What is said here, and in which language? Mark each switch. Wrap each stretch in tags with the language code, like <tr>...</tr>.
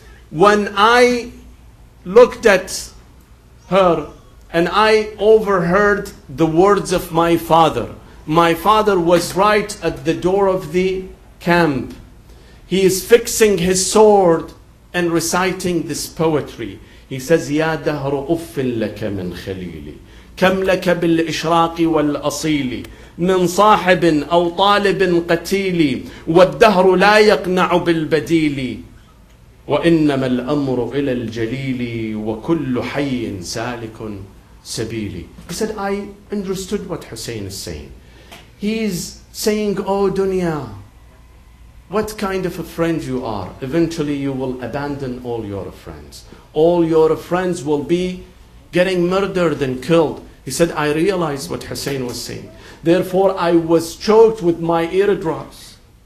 <en>When I looked at her and I overheard the words of my father was right at the door of the camp. He is fixing his sword and reciting this poetry. He says,</en> <ar>Ya dahr uffin laka min khalili. كم لك بالإشراق والأصيل من صاحب أو طالب قتيل والدهر لا يقنع بالبديل وإنما الأمر إلى الجليل وكل حي سالك سبيلي.</ar> <en>He said, I understood what Hussein is saying. He's saying, oh dunya, what kind of a friend you are. Eventually you will abandon all your friends. All your friends will be getting murdered and killed. He said, I realized what Hussein was saying. Therefore, I was choked with my eardrops.</en>